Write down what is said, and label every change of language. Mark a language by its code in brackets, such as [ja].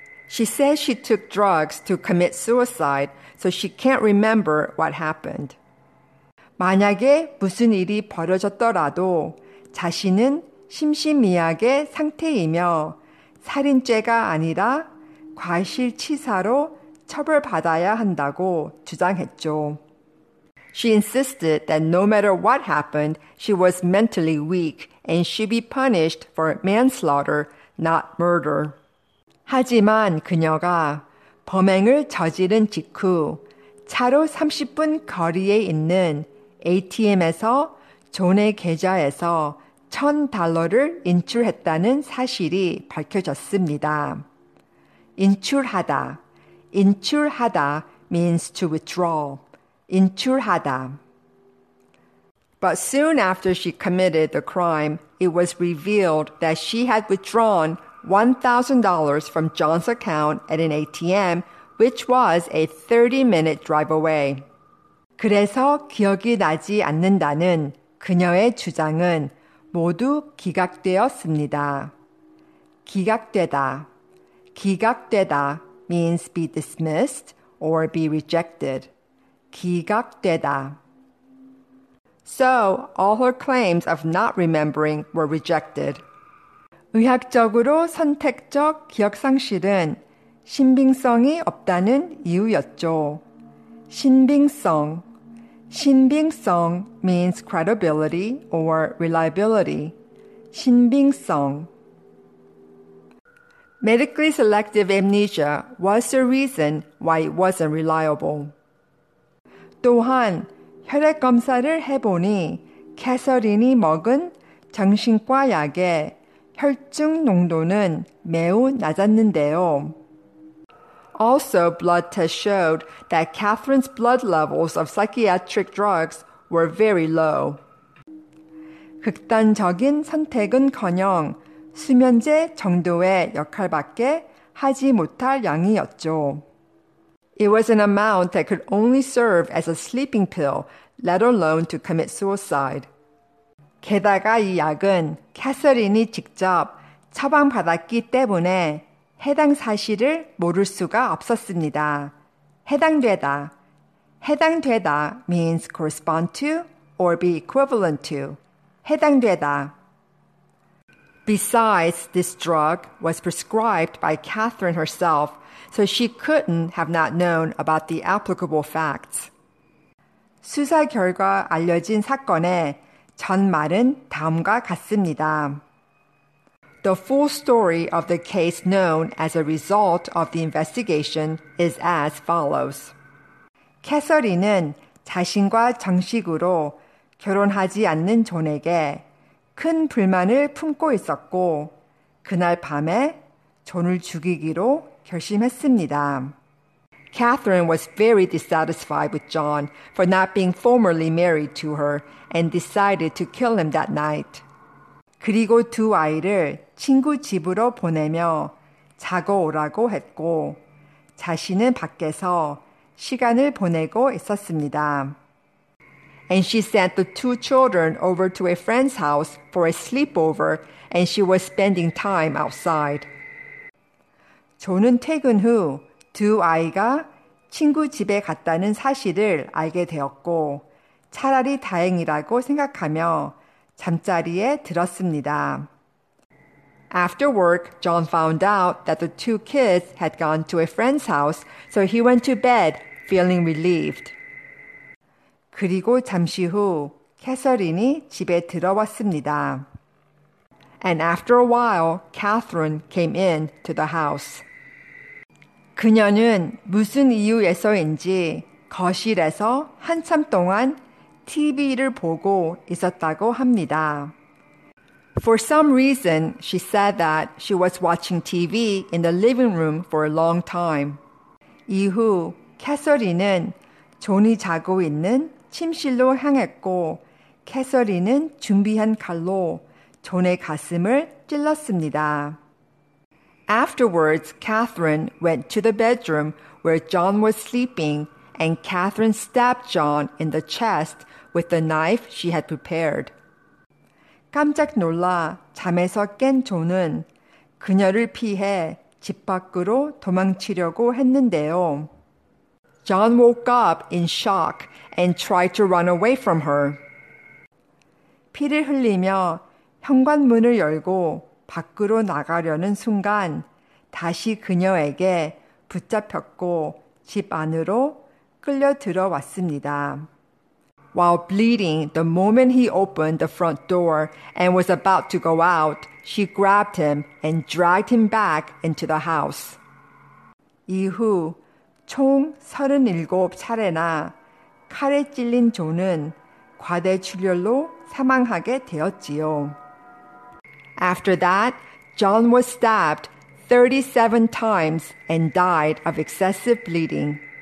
[en] She said she took drugs to commit suicide, so she can't remember what happened. [ko] 만약에 무슨 일이 벌어졌더라도 자신은 심신미약의 상태이며 살인죄가 아니라 과실치사로 처벌받아야 한다고 주장했죠. [en] She insisted that no matter what happened, she was mentally weak and should be punished for manslaughter, not murder. [ko] 하지만 그녀가 범행을 저지른 직후 차로 30분 거리에 있는 ATM에서 존의 계좌에서 $1,000를 인출했다는 사실이 밝혀졌습니다. 인출하다. [en] Inchurhada means to withdraw. [ko] Inchurhada. [en] But soon after she committed the crime, it was revealed that she had withdrawn $1,000 from John's account at an ATM, which was a 30-minute drive away. [ko] 그래서 기억이 나지 않는다는 그녀의 주장은 모두 기각되었습니다. 기각되다. 기각되다. [en] Means be dismissed or be rejected. [ko] 기각되다. [en] So, all her claims of not remembering were rejected. [ko] 의학적으로 선택적 기억상실은 신빙성이 없다는 이유였죠. 신빙성. 신빙성 [en] means credibility or reliability. [ko] 신빙성. [en] Medically selective amnesia was the reason why it wasn't reliable. [ko] 또한 혈액 검사를 해보니 캐서린이 먹은 정신과 약의 혈중 농도는 매우 낮았는데요. [en] Also, blood tests showed that Catherine's blood levels of psychiatric drugs were very low. [ko] 극단적인 선택은커녕 수면제 정도의 역할밖에 하지 못할 양이었죠. [en] It was an amount that could only serve as a sleeping pill, let alone to commit suicide. [ko] 게다가 이 약은 캐서린이 직접 처방받았기 때문에 해당 사실을 모를 수가 없었습니다. 해당되다. 해당되다 [en] means correspond to or be equivalent to. [ko] 해당되다. [en] Besides, this drug was prescribed by Catherine herself, so she couldn't have not known about the applicable facts. [ko] 수사 결과 알려진 사건의 전말은 다음과 같습니다. [en] The full story of the case known as a result of the investigation is as follows. [ko] 캐서린은 자신과 정식으로 결혼하지 않는 존에게 큰 불만을 품고 있었고 그날 밤에 존을 죽이기로 결심했습니다. [en] Catherine was very dissatisfied with John for not being formally married to her and decided to kill him that night. [ko] 그리고 두 아이를 친구 집으로 보내며 자고 오라고 했고 자신은 밖에서 시간을 보내고 있었습니다. [en] And she sent the two children over to a friend's house for a sleepover, and she was spending time outside. [ko] 저는 퇴근 후 두 아이가 친구 집에 갔다는 사실을 알게 되었고 차라리 다행이라고 생각하며 잠자리에 들었습니다. [en] After work, John found out that the two kids had gone to a friend's house, so he went to bed feeling relieved. [ko] 그리고 잠시 후 캐서린이 집에 들어왔습니다. [en] And after a while, Catherine came in to the house. [ko] 그녀는 무슨 이유에서인지 거실에서 한참 동안 TV를 보고 있었다고 합니다. [en] For some reason, she said that she was watching TV in the living room for a long time. [ko] 이후 캐서린은 존이 자고 있는 침실로 향했고 캐서린은 준비한 칼로 존의 가슴을 찔렀습니다. [en] Afterwards, Catherine went to the bedroom where John was sleeping and Catherine stabbed John in the chest with the knife she had prepared. [ko] 깜짝 놀라 잠에서 깬 존은 그녀를 피해 집 밖으로 도망치려고 했는데요. [en] John woke up in shock and tried to run away from her. [ko] 피를 흘리며 현관문을 열고 밖으로 나가려는 순간 다시 그녀에게 붙잡혔고 집 안으로 끌려 들어왔습니다. [en] While bleeding, the moment he opened the front door and was about to go out, she grabbed him and dragged him back into the house. [ko] 이후 총 37차례나 칼에 찔린 존은 과대출혈로 사망하게 되었지요. [en] After that, John was stabbed 37 times and died of excessive bleeding.